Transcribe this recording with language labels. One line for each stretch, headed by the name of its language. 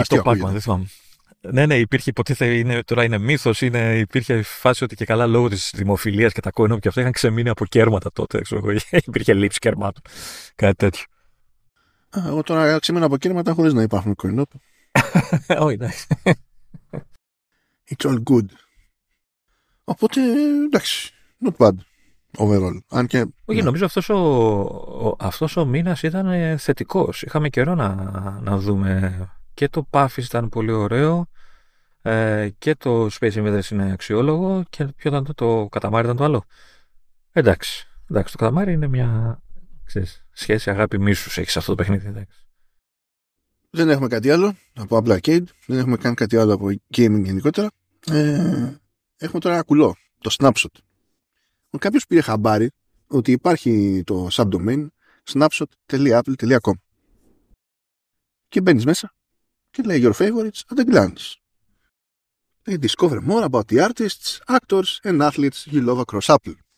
Greek: ή το Pac-Man, δεν θυμάμαι. Ναι, ναι, υπήρχε υποτίθεται, είναι, τώρα είναι μύθος, είναι, υπήρχε φάση ότι και καλά λόγω της δημοφιλίας και τα coin-op και αυτά είχαν ξεμείνει από κέρματα τότε, ξέρω, υπήρχε λήψη κερμάτων, κάτι τέτοιο. Εγώ τώρα ξεμείνω από κέρματα χωρίς να υπάρχουν coin-op. Όχι, εντάξει.
English: It's all good.
Greek: Οπότε, εντάξει,
English: not bad overall.
Greek: Αν και, όχι, ναι. Νομίζω αυτός ο μήνας ήταν θετικός. Είχαμε καιρό να δούμε... Και το Puffy ήταν πολύ ωραίο και το Space Invaders είναι αξιόλογο και ποιο ήταν το Καταμάρι ήταν το άλλο. Εντάξει, το Καταμάρι είναι μια ξέρεις, σχέση αγάπη μίσους έχει σε αυτό το παιχνίδι. Εντάξει. Δεν έχουμε κάτι άλλο από Apple Arcade, δεν έχουμε καν κάτι άλλο από gaming γενικότερα. Έχουμε τώρα ένα κουλό, το Snapshot. Κάποιος πήρε χαμπάρι ότι υπάρχει το subdomain snapshot.apple.com και μπαίνεις μέσα. Και λέει
English: your favorites at a glance. They discover more about the artists, actors and athletes you love across Apple.